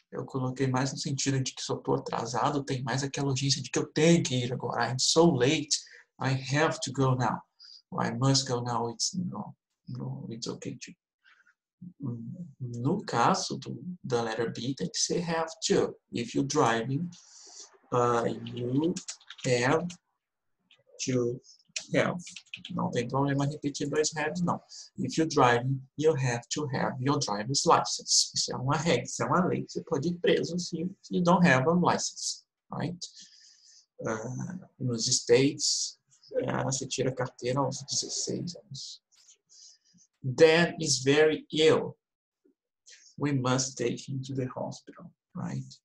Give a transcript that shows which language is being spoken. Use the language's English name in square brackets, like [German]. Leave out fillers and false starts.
[Portuguese] Eu coloquei mais no sentido de que só estou atrasado, tem mais aquela urgência de que eu tenho que ir agora. [English] I am so late, I have to go now. Well, I must go now, it's okay to. [Portuguese] No caso da letter B, tem que ser have to. [English] If you're driving, you have to have. [Portuguese] Não tem problema repetir dois haves, não. [English] If you're driving, you have to have your driver's license. [Portuguese] Isso é uma regra, isso é uma lei. Você pode ir preso se [English] you don't have a license. Right? [Portuguese] nos States, você tira a carteira aos 16 anos. [English] Dad is very ill. We must take him to the hospital, right?